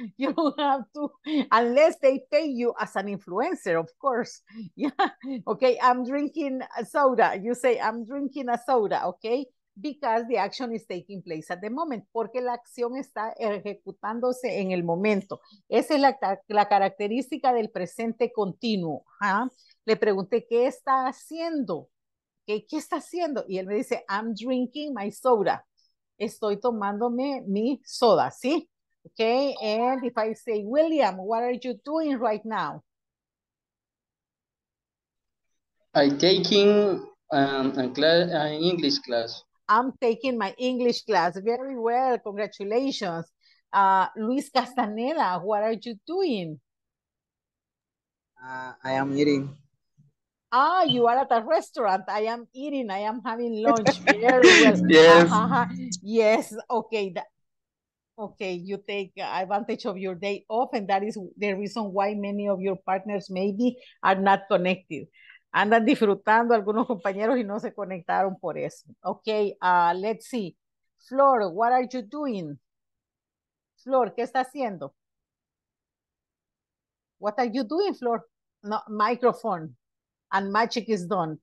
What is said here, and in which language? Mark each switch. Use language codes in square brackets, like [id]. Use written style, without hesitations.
[en] You don't have to, unless they pay you as an influencer, of course. Yeah. Okay, I'm drinking a soda. You say, I'm drinking a soda, okay? Because the action is taking place at the moment. [es] Porque la acción está ejecutándose en el momento. Esa es la característica del presente continuo. ¿Huh? Le pregunté, ¿qué está haciendo? ¿Qué está haciendo? Y él me dice, [en] I'm drinking my soda. [es] Estoy tomándome mi soda, ¿sí? [en] Okay, and if I say, William, what are you doing right now? I'm taking an English class. I'm taking my English class. Very well, congratulations. Luis Castaneda, what are you doing? I am eating. Ah, you are at a restaurant. I am eating. I am having lunch. Very well. Yes. Yes. Okay. Okay, you take advantage of your day off, and that is the reason why many of your partners maybe are not connected. [es] Andan disfrutando algunos compañeros y no se conectaron por eso. [en] Okay, let's see. Flor, what are you doing? [es] Flor, ¿qué está haciendo? [en] What are you doing, Flor? No, microphone. And magic is done.